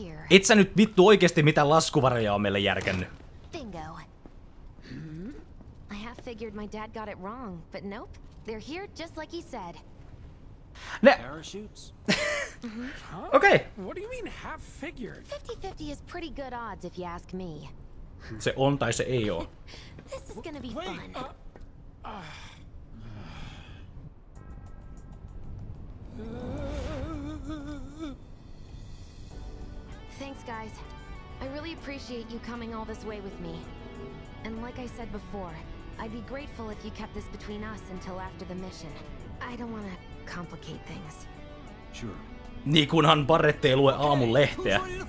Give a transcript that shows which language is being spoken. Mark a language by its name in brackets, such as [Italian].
[Finnish] Et sä nyt vittu oikeesti mitä laskuvaroja on meille järkännyt. [English] Bingo. I have figured my dad got it wrong, but nope. They're here just like he said. Parachutes? Okay. What do you mean half figured? 50-50 is pretty good odds if you ask me. [Finnish] Se on tai se ei oo. [English] This is gonna be fun. Wait, Thanks guys. I really appreciate you coming all this way with me. And like I said before, I'd be grateful if you kept this between us until after the mission. I don't want to complicate things. Sure. [Finnish] Niin kunhan Barrett ei lue aamulehteä.